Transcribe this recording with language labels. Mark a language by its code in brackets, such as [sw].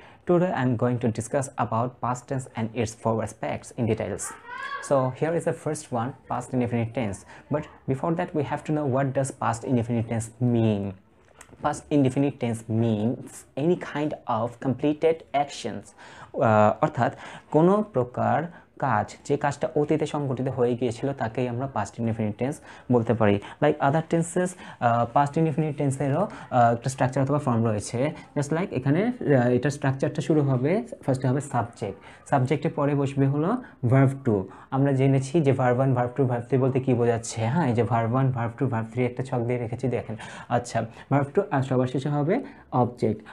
[en] Today, I'm going to discuss about past tense and its four aspects in details. So here is the first one, past indefinite tense. But before that, we have to know what does past indefinite tense mean. Past indefinite tense means any kind of completed actions. [bn] অর্থাৎ কোনো প্রকার কাজ যে কাজটা অতীতে সংঘটিত হয়ে গিয়েছিল তাকেই আমরা past indefinite tense বলতে পারি. [en] Like other tenses, past indefinite tense [bn] এরও একটা structure অথবা form রয়েছে. Just like এখানে এটা structureটা শুরু হবে, first হবে subject. Subject-এ পরে বসবে হলো verb 2. আমরা জেনেছি যে verb 1, verb 2, verb 3 বলতে কি বোঝাচ্ছে. হ্যাঁ, এই যে verb 1, verb 2, verb 3 একটা ছক দিয়ে রেখেছি, দেখেন. আচ্ছা, verb 2 আর সবার শেষে হবে object.